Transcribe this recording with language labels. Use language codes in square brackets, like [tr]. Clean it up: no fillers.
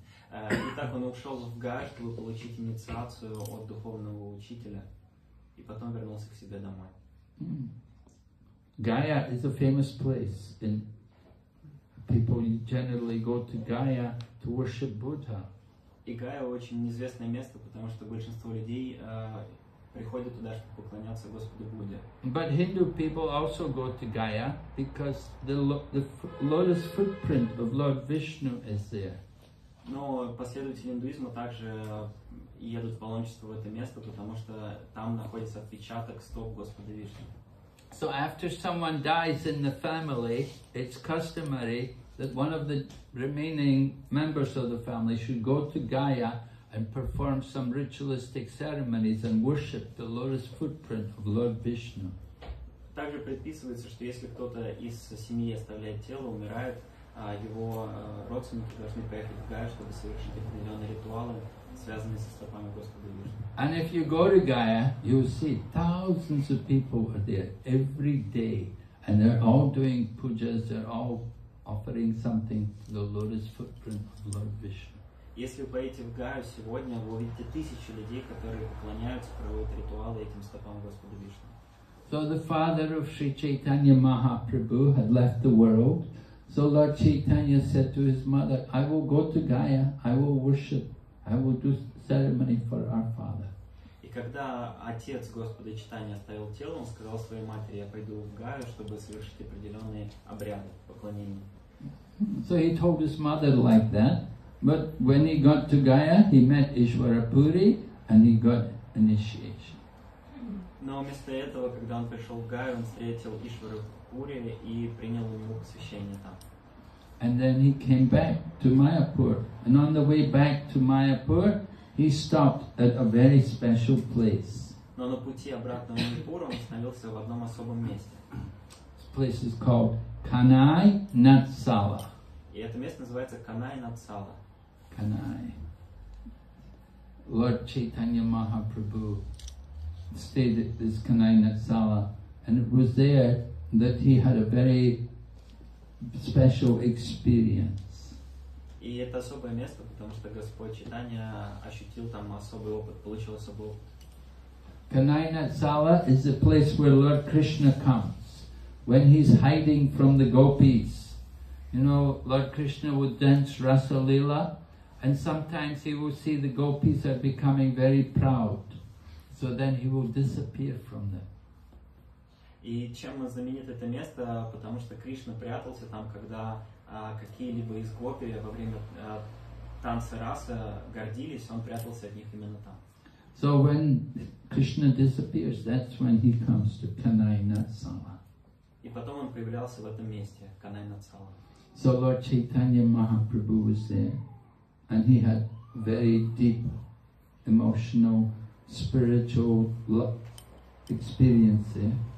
[ru] Итак, он ушел в Гаю, чтобы получить инициацию от духовного учителя, и потом вернулся к себе домой. [en] Gaya is a famous place, and people generally go to Gaya to worship Buddha. [ru] И Гая очень известное место, потому что большинство людей приходят туда, чтобы поклоняться Господу Будде. [en] But Hindu people also go to Gaya because the lotus footprint of Lord Vishnu is there. [ru] Но последователи индуизма также едут в паломничество в это место, потому что там находится отпечаток стоп Господа Вишну. [en] So after someone dies in the family, it's customary that one of the remaining members of the family should go to Gaya and perform some ritualistic ceremonies and worship the lotus footprint of Lord Vishnu. [ru] Также предписывается, что если кто-то из семьи оставляет тело, умирает, его родственники должны поехать в Гаю, чтобы совершить определенные ритуалы, связанные со стопами Господа Вишну. [en] And if you go to Gaya, you see thousands of people are there every day, and they're all doing pujas, they're all offering something to the lotus footprint of Lord Vishnu. [ru] Если вы поедете в Гаю сегодня, вы увидите тысячи людей, которые поклоняются, проводят ритуалы этим стопам Господа Вишну. [en] So the father of Sri Chaitanya Mahaprabhu had left the world. So Lord Chaitanya said to his mother, "I will go to Gaya, I will worship, I will do ceremony for our father." [ru] И когда отец Господа Чайтаньи оставил тело, он сказал своей матери, "Я пойду в Гаю, чтобы совершить определенные обряды поклонения." [en] So he told his mother like that, but when he got to Gaya, he met Ishwarapuri and he got initiation. [ru] Но вместо этого, когда он пришел в Гаю, он встретил Ишварапури и принял у него посвящение там. [en] And then he came back to Mayapur. And on the way back to Mayapur, he stopped at a very special place. [ru] Но на пути обратно в Майяпур он остановился в одном особом месте. [en] This place is called Kanai Natsala. [ru] И это место называется Kanai Natsala. [en] Kanai. Lord Chaitanya Mahaprabhu stayed at this Kanainatsala, and it was there that he had a very special experience. [ru] И это особое место, потому что Господь Чайтанья ощутил там особый опыт, получил особый опыт. [en] Kanainatsala is the place where Lord Krishna comes when he's hiding from the gopis. You know, Lord Krishna would dance Rasa Lila, and sometimes he will see the gopis are becoming very proud. So then he will disappear from them. [ru] И чем знаменит это место, потому что Кришна прятался там, когда какие-либо из гопи во время танца Раса гордились, он прятался от них именно там. [en] So when Krishna disappears, that's when he comes to Kanainatsala. [ru] И потом он появлялся в этом месте, Kanainatsala. [en] So Lord Chaitanya Mahaprabhu was there, and he had very deep emotional, spiritual experience there.